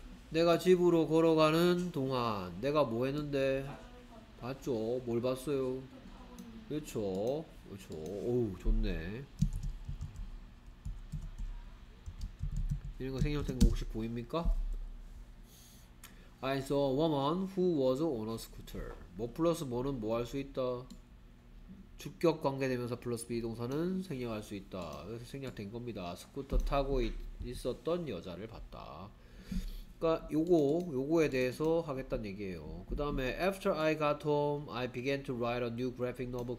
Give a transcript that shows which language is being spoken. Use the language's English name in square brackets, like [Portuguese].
[Korean] 내가 집으로 걸어가는 동안 내가 뭐 했는데? 봤죠? 뭘 봤어요? 그렇죠? 그렇죠? 어우 좋네. 이런 거 생략된 거 혹시 보입니까? [English] I saw a woman who was on a scooter. [Korean] 뭐 플러스 뭐는 뭐 할 수 있다? 주격 관계되면서 플러스 비동사는 생략할 수 있다. 그래서 생략된 겁니다. 스쿠터 타고 있었던 여자를 봤다. 그러니까 요거에 대해서 하겠다는 얘기예요. 그 다음에 [English] After I got home, I began to write a new graphic novel.